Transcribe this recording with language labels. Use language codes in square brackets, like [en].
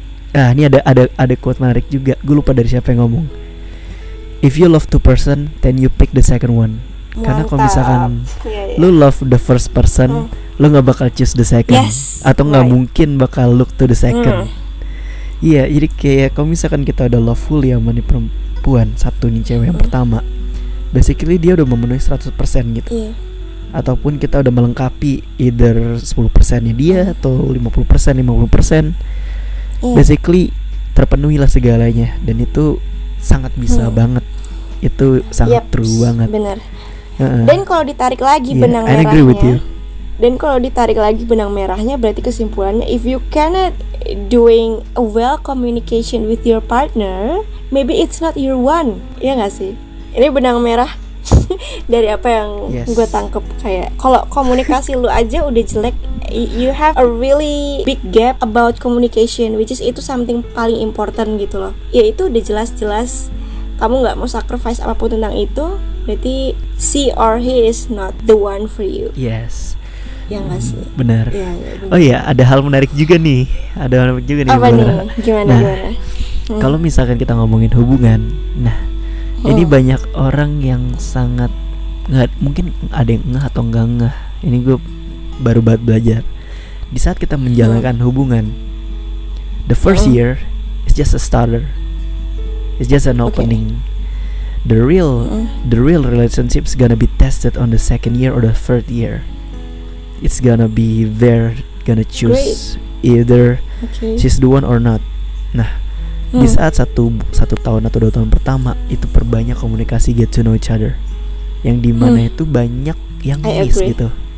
[id] Nah, ini ada quote menarik juga. Gue lupa dari siapa yang ngomong. [en] If you love two person, then you pick the second one. [id] Mantap. Karena kalau misalkan lu [en] love the first person, [id] lu enggak bakal [en] choose the second. Yes. [id] Atau enggak mungkin bakal [en] look to the second. [id] Iya, jadi kayak kalau misalkan kita udah loveful ya sama nih perempuan, satu nih cewek yang pertama. Basically dia udah memenuhi 100% gitu. Ataupun kita udah melengkapi either 10%-nya dia atau 50%, 50%. Basically terpenuhilah segalanya dan itu sangat bisa banget. Itu sangat true banget. Bener. Dan kalau ditarik lagi benang merahnya. [en] I agree with you. [id] Dan kalau ditarik lagi benang merahnya berarti kesimpulannya [en] if you cannot doing a well communication with your partner, maybe it's not your one. [id] Iya enggak sih? Ini benang merah dari apa yang gue tangkep. Kayak kalau komunikasi lu aja udah jelek, [en] you have a really big gap about communication, which is itu something paling important gitu loh. [id] Ya itu udah jelas-jelas kamu gak mau sacrifice apapun tentang itu. [en] Berarti she or he is not the one for you. Yes. [id] Ya gak sih? Benar. Ya, oh iya, ada hal menarik juga nih. Ada hal menarik juga nih. Apa nih? Gimana? Nah, kalau misalkan kita ngomongin hubungan, nah ini banyak orang yang sangat gak, mungkin ada yang ngeh atau gak ngeh. Ini gue baru banget belajar. Di saat kita menjalankan hubungan, [en] the first year is just a starter. It's just an opening. The real the real relationship is gonna be tested on the second year or the third year. It's gonna be there, gonna choose either she's the one or not. [id] Nah, di saat satu tahun atau dua tahun pertama itu perbanyak komunikasi, [en] get to know each other, [id] yang di mana itu banyak yang miss gitu.